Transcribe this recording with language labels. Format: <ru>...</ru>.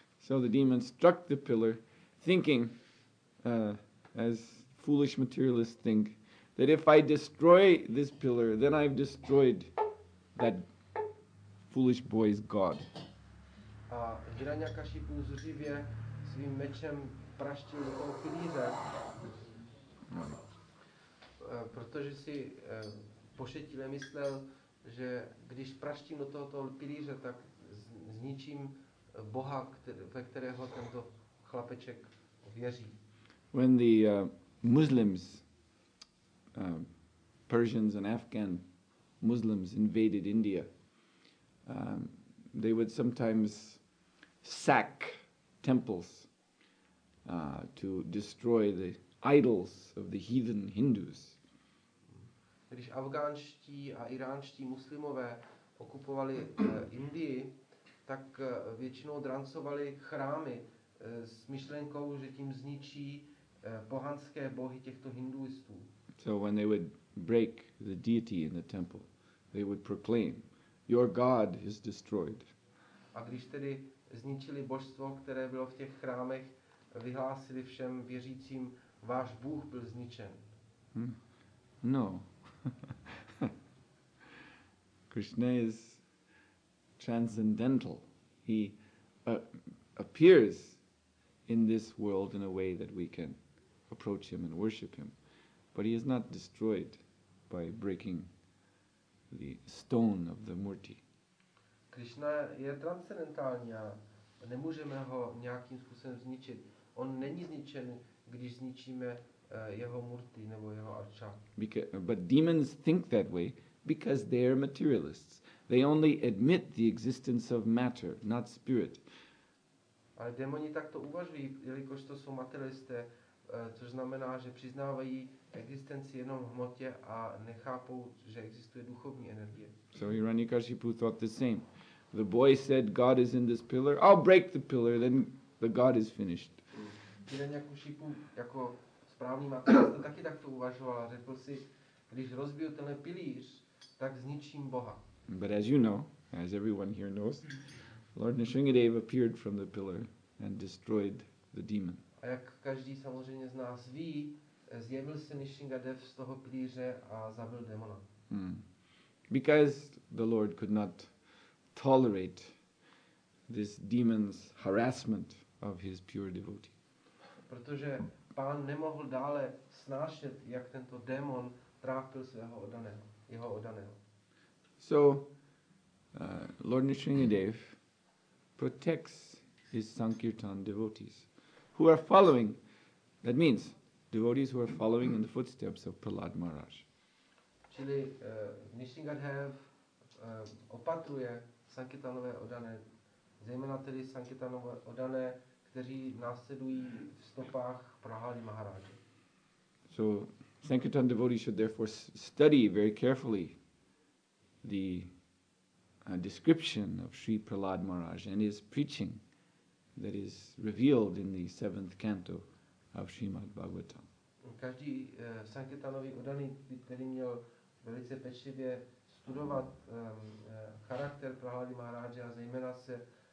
<en>So the demon struck the pillar, thinking, as foolish materialists think, that if I destroy this pillar, then I've destroyed that foolish boy's god.</en> <cs>A Hiranyakashipu zřivě svým mečem praštil do toho pilíře, protože si pošetile myslel, že když praštím do tohoto pilíře, tak zničím boha, ve kterého tento chlapeček věří.</cs> <en>When the Muslims, Persians and Afghan Muslims invaded India, they would sometimes sack temples to destroy the idols of the heathen Hindus.</en> <cs>Když afgánští a iránští muslimové okupovali Indii, tak většinou drancovali chrámy s myšlenkou, že tím zničí pohanské bohy těchto hinduistů.</cs> <en>So when they would break the deity in the temple, they would proclaim, your god is destroyed.</en> <cs>A když tedy zničili božstvo, které bylo v těch chrámech, vyhlásili všem věřícím, váš bůh byl zničen.</cs> <en>No. Krishna is transcendental. He appears in this world in a way that we can approach him and worship him. But he is not destroyed by breaking the stone of the murti.</en> <cs>Krishna je transcendentální a nemůžeme ho nějakým způsobem zničit. On není zničen, když zničíme jeho murti nebo jeho arča.</cs> <en>But demons think that way because they are materialists. They only admit the existence of matter, not spirit.</en> <cs>Ale démoni takto uvažují, jelikož to jsou materialisté, což znamená, že přiznávají existenci jenom v hmotě a nechápou, že existuje duchovní energie.</cs> <en>So Hiranyakashipu thought the same. The boy said, God is in this pillar. I'll break the pillar, then the god is finished.</en> <cs>Hiranyakashipu jako správný materialista taky takto uvažoval a řekl si, když rozbiju tenhle pilíř, tak zničím boha.</cs> <en>But as you know, as everyone here knows, Lord Nrisingadeva appeared from the pillar and destroyed the demon.</en> <cs>A jak každý samozřejmě z nás ví, zjevil se Nrisingadev z toho pilíře a zabil démona.</cs> <en>Because the Lord could not tolerate this demon's harassment of his pure devotee.</en> <cs>Protože pán nemohl dále snášet, jak tento démon trápil svého oddaného, jeho oddaného.</cs> <en>So Lord Nrisingadev protects his Sankirtan devotees who are following. That means devotees who are following in the footsteps of Prahlad Maharaj.</en> <cs>Čili Nrisingadev opatruje Sankirtanové oddané, zejména tedy Sankirtanové oddané, kteří následují v stopách Prahlády Maharaje.</cs> <en>So Sankirtan devotees should therefore study very carefully the description of Sri Prahlad Maharaj and his preaching that is revealed in the seventh canto of Srimad Bhagavatam.</en> <cs>Každý Sankirtanový oddaný by tedy měl velice pečlivě studovat charakter Prahlády Maharaje a zejména se</cs>